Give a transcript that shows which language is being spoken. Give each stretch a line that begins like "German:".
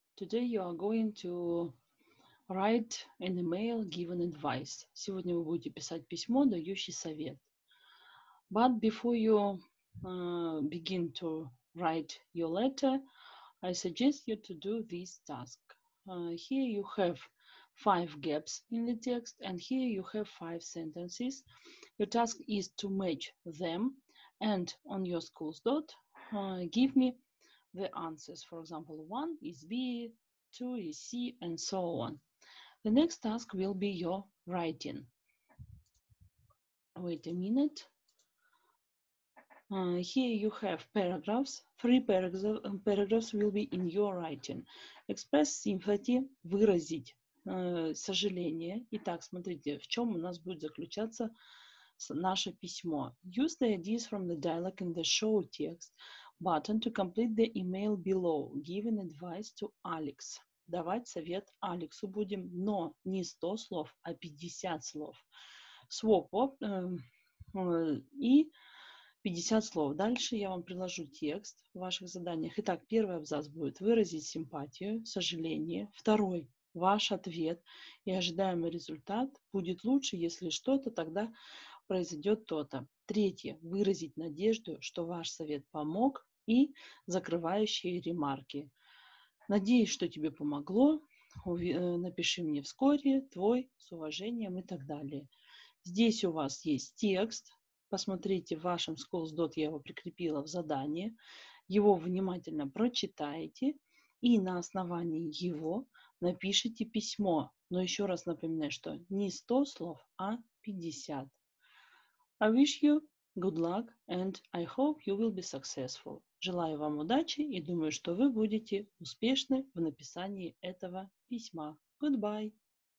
English: Today you are going to write an email giving advice.
Russian: Сегодня вы будете писать письмо, дающий совет.
English: But before you begin to write your letter, I suggest you to do this task. Here you have five gaps in the text, and here you have five sentences. Your task is to match them, and on your school's dot, give me the answers. For example, one is B, two is C, and so on. The next task will be your writing. Wait a minute. Here you have paragraphs. Three paragraphs will be in your writing. Express sympathy,
Russian: выразить сожаление. Итак, смотрите, в чем у нас будет заключаться наше письмо.
English: Use the ideas from the dialogue in the show text button to complete the email below, giving advice to Alex.
Russian: Давать совет Алексу будем, но не 100 слов, а 50 слов.
English: Swap up,
Russian: и 50 слов. Дальше я вам приложу текст в ваших заданиях. Итак, первый абзац будет выразить симпатию, сожаление. Второй — ваш ответ и ожидаемый результат. Будет лучше, если что-то, тогда произойдет то-то. Третье — выразить надежду, что ваш совет помог. И закрывающие ремарки. Надеюсь, что тебе помогло. Напиши мне вскоре. Твой, с уважением, и так далее. Здесь у вас есть текст. Посмотрите, в вашем Schools.dot я его прикрепила в задание. Его внимательно прочитаете. И на основании его напишите письмо. Но еще раз напоминаю, что не 100 слов, а 50.
English: I wish you good luck and I hope you will be successful.
Russian: Желаю вам удачи и думаю, что вы будете успешны в написании этого письма. Goodbye!